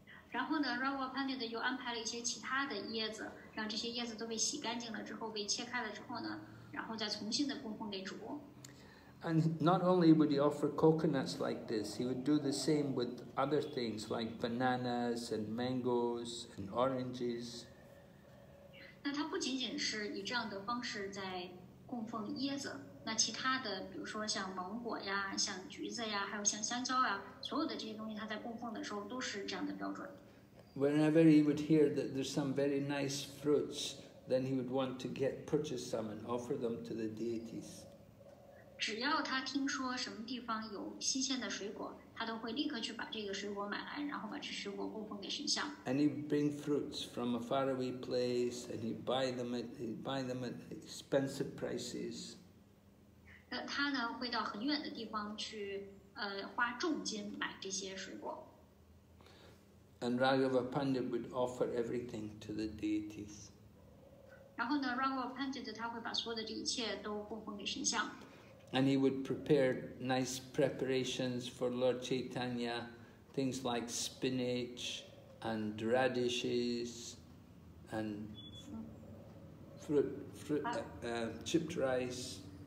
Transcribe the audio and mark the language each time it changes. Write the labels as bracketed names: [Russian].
[Chinese] 然后呢 Raghava Pandit 又安排了一些其他的椰子让这些椰子都被洗干净了之后被切开了之后呢然后再重新的供奉给主。 [English] And not only would he offer coconuts like this, he would do the same with other things like bananas and mangoes and oranges. [Chinese] 那他不仅仅是以这样的方式在供奉椰子，那其他的，比如说像芒果呀，像橘子呀，还有像香蕉呀，所有的这些东西他在供奉的时候都是这样的标准。 [English] Whenever he would hear that there's some very nice fruits, then he would want to purchase some and offer them to the deities. [Chinese] 只要他听说什么地方有新鲜的水果，他都会立刻去把这个水果买来，然后把这水果供奉给神像。 [English] And he'd bring fruits from a faraway place, and he'd buy them at expensive prices. [Chinese] 他呢会到很远的地方去，花重金买这些水果。 [English] And Raghava Pandit would offer everything to the deities. [Chinese] 然后呢 ，Raghava Pandit 他会把所有的这一切都供奉给神像。 [English] And he would prepare nice preparations for Lord Chaitanya, things like spinach and radishes and fruit, chipped rice.